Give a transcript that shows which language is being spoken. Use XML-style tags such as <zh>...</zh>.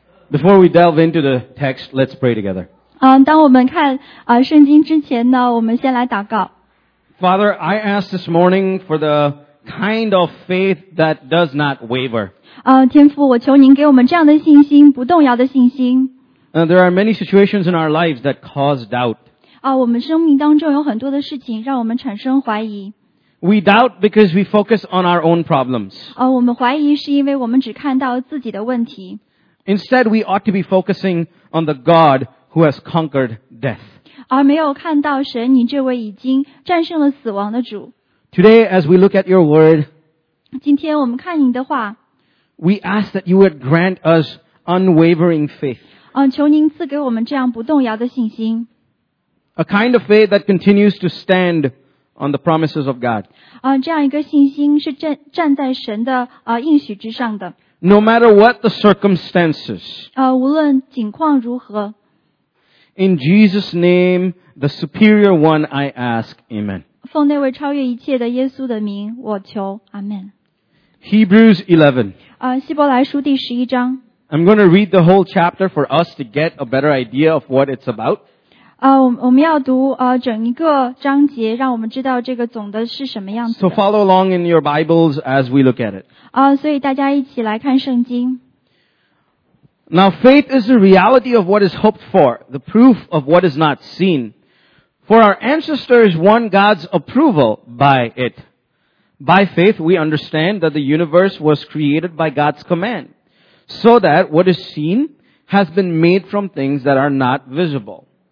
<en>Before we delve into the text, let's pray together.</en> <zh>当我们看圣经之前呢，我们先来祷告。</zh> <en>Father, I ask this morning for the kind of faith that does not waver.</en> <zh>天父，我求您给我们这样的信心，不动摇的信心。</zh> <en>There are many situations in our lives that cause doubt.</en> <zh>我们生命当中有很多的事情让我们产生怀疑。</zh> <en>We doubt because we focus on our own problems.</en> <zh>我们怀疑是因为我们只看到自己的问题。</zh> <en>Instead, we ought to be focusing on the God who has conquered death.</en> <zh>而没有看到神，你这位已经战胜了死亡的主。</zh> <en>Today, as we look at your word,</en> <zh>今天我们看你的话，</zh> <en>we ask that you would grant us unwavering faith.</en> <zh>求您赐给我们这样不动摇的信心。</zh> <en>A kind of faith that continues to stand on the promises of God.</en> <zh>这样一个信心是站在神的应许之上的。</zh> <en>No matter what the circumstances,</en> <zh>无论境况如何。</zh> <en>In Jesus' name, the superior one, I ask, Amen.</en> <zh>奉那位超越一切的耶稣的名，我求 ，Amen.</zh> <en>Hebrews 11.</en> <zh>希伯来书第十一章。</zh> <en>I'm going to read the whole chapter for us to get a better idea of what it's about.</en> <zh>我们要读整一个章节，让我们知道这个总的是什么样子的。</zh> <en>So follow along in your Bibles as we look at it.</en> <zh>所以大家一起来看圣经。</zh> <en>Now faith is the reality of what is hoped for, the proof of what is not seen. For our ancestors won God's approval by it. By faith we understand that the universe was created by God's command, so that what is seen has been made from things that are not visible.</en>